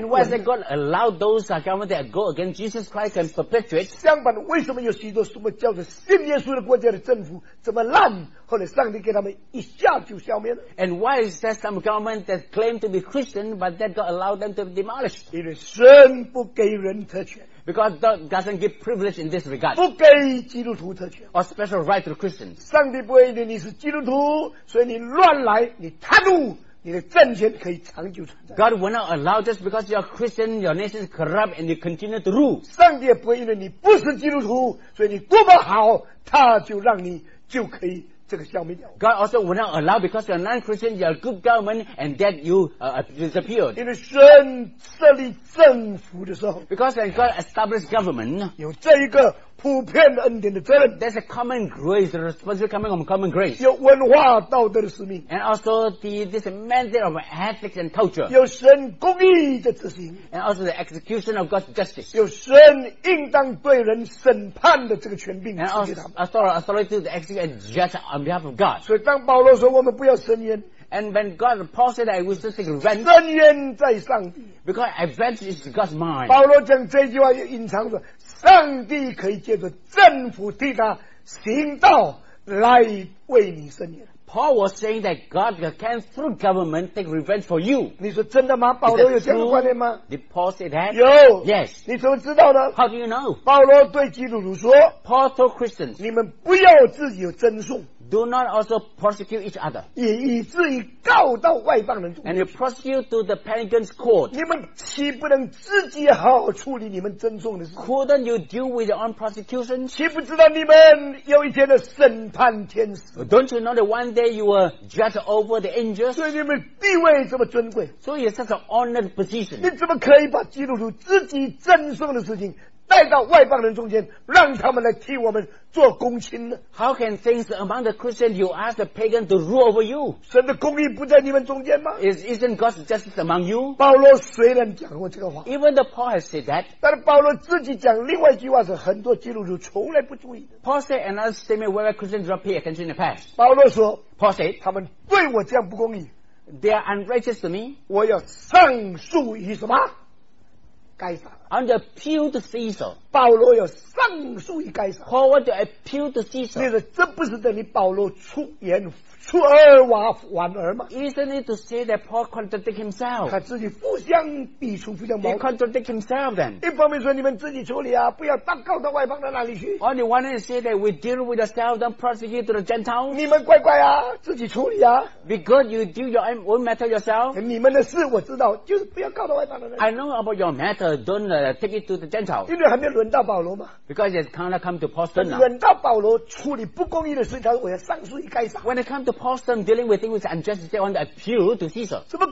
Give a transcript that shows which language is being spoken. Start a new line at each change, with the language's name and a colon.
English: And why is it God allowed those government that go against Jesus Christ and perpetuate
Chinese: 相反为什么有许多什么叫做信耶稣的国家的政府这么烂后来上帝给他们一下就消灭了。
English: And why is there some government that claim to be Christian but that God allowed them to be demolished?
Chinese: 因为神不给人特权。
English: Because God doesn't give privilege in this regard.
Chinese: 不给基督徒特权。
English: Or special right to Christians.
Chinese: 上帝不会因为你是基督徒，所以你乱来，你贪污。你的政权可以长久存在。
English: God will not allow just because you are Christian, your nation is corrupt and you continue to rule.
Chinese: 上帝也不会因为你不是基督徒，所以你过不好，他就让你就可以这个消灭掉。
English: God also will not allow because you are non-Christian, you are good government and that you disappeared.
Chinese: 因为神设立政府的时候
English: ，because when God established government,
Chinese: 有这一个普遍的恩典的责任。
English: There's a common grace, the responsibility coming from common grace.
Chinese: 有文化道德的使命
English: ，and also this mandate of ethics and culture.
Chinese: 有神公义的执行
English: ，and also the execution of God's justice.
Chinese: 有神应当对人审判的这个权柄
English: ，and also authority to execute and judge on behalf of God.
Chinese: 所以当保罗说我们不要伸冤。
English: And when God Paul said that I wish to seek revenge,
Chinese: 深渊在上帝
English: because revenge is God's mind.
Chinese: 保罗讲这句话又隐藏着，上帝可以借着政府替他行道来为你伸冤。
English: Paul was saying that God can through government take revenge for you.
Chinese: 你说真的吗？保罗有这样的观念吗
English: ？Did Paul say that?
Chinese: 有。
English: Yes.
Chinese: 你怎么知道的
English: ？How do you know?
Chinese: 保罗对基督徒说
English: ，Paul told Christians,
Chinese: 你们不要自己有争讼。
English: do not also persecute each other.
Chinese: 以至于告到外邦人中去,
English: and you persecute to the pagan's court.
Chinese: 你们岂不能自己好处理你们尊重的事?
English: Couldn't you deal with your own prosecution?
Chinese: 岂不知道你们有一天的审判天使?
English: Don't you know that one day you will judge over the angels?
Chinese: 所以你们地位这么尊贵,
English: so it's such an honored position.
Chinese: 你怎么可以把基督徒自己尊重的事情 带到外邦人中间，让他们来替我们做公亲呢？
English: How can things among the Christians you ask the pagan to rule over you?
Chinese: 神的公义不在你们中间吗？
English: Isn't God's justice among you?
Chinese: 保罗虽然讲过这个话，
English: Even the Paul has said that，
Chinese: 但是保罗自己讲另外一句话是很多基督徒从来不注意的。
English: Paul said another statement where Christians don't pay attention in the past。
Chinese: 保罗说，
English: Paul said，
Chinese: 他们对我这样不公义，
English: They are unrighteous to me，
Chinese: 我要上诉于什么？该撒。
English: And appeal to Caesar.
Chinese: 保罗要上诉于该撒。
English: Paul want to appeal to Caesar.
Chinese: 这不是等于保罗出言出尔玩尔吗？
English: Isn't it to say that Paul contradicted himself?
Chinese: 他自己互相抵触，互相矛盾。
English: He contradicted himself then.
Chinese: 一方面说你们自己处理啊，不要祷告到外邦人那里去。
English: Only one to say that we deal with ourselves, don't prosecute to the Gentiles.
Chinese: 你们乖乖啊，自己处理啊。
English: Because you deal your own matter yourself.
Chinese: 你们的事我知道，就是不要告到外邦人那里。
English: I know about your matter, don't. Take it to the Gentiles.
Chinese: 因为还没轮到保罗嘛。
English: Because it's kind of come to Paulson.
Chinese: 轮到保罗处理不公义的事，他说我要上诉于该撒。
English: When it comes to Paulson dealing with things unjust, they want to appeal to Caesar.